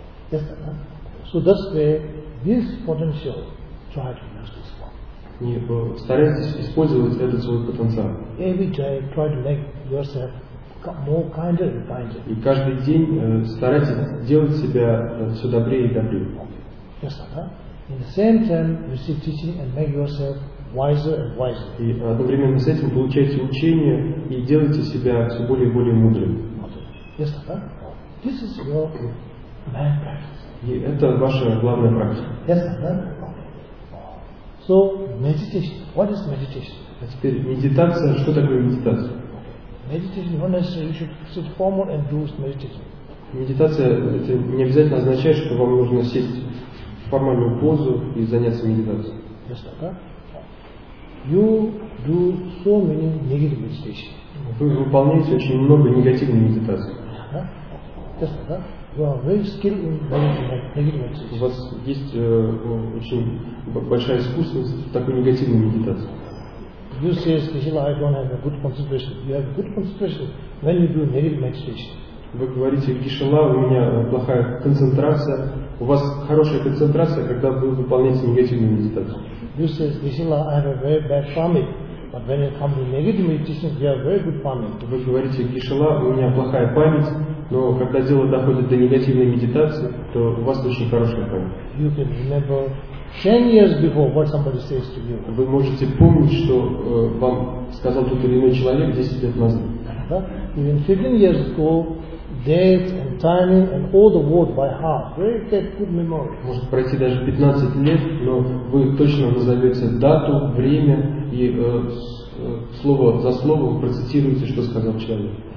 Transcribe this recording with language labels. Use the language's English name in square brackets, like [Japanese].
[English] Yes, so that's where this potential try to use this one. [Russian] Старайтесь использовать этот свой потенциал. [English] Every day try to make yourself more kinder and kinder. [Russian] И каждый день старайтесь делать себя все добрее и добрее. [English] Yes, sir. In the same time, you see teaching and make yourself wiser and wiser. [Russian] И одновременно с этим получаете учение и делаете себя все более и более мудрым. [English] Yes, sir. This is your main practice. [Russian] И это ваша главная практика. [English] Yes, sir. So meditation. What is meditation? [Russian] А теперь медитация. Что такое медитация? [English] Meditation is not necessary. You should sit formal and do meditation. [Russian] Медитация это не обязательно означает, что вам нужно сесть в формальную позу и заняться медитацией. [English] Yes, sir. You do so many negative meditation. [Russian] Вы выполняете очень много негативной медитации. [English] Yes, sir. You are very skilled in negative meditation. [Russian] У вас есть очень большая искусственность в такой негативной медитации. [English] You say, "Sahila, I don't have a good concentration." You have good concentration when you do negative meditation. [Russian] Вы говорите, Кишила, у меня плохая концентрация. У вас хорошая концентрация, когда вы выполняете негативную медитацию. [English] You say, "Sahila, I have a very bad family." But when it comes to negative meditation, you have very good family. [Russian] Вы говорите, Кишила, у меня плохая память. Но когда дело доходит до негативной медитации, то у вас очень хорошая память. [English] You can remember 10 years before what somebody says to you. [Russian] Вы можете помнить, что вам сказал тот или иной человек 10 лет назад. [English] Even 15 years ago, date and timing and all the words by heart. Very good memory. [Russian] Может пройти даже 15 лет, но вы точно назовете дату, время и слово за словом процитируете, что сказал человек.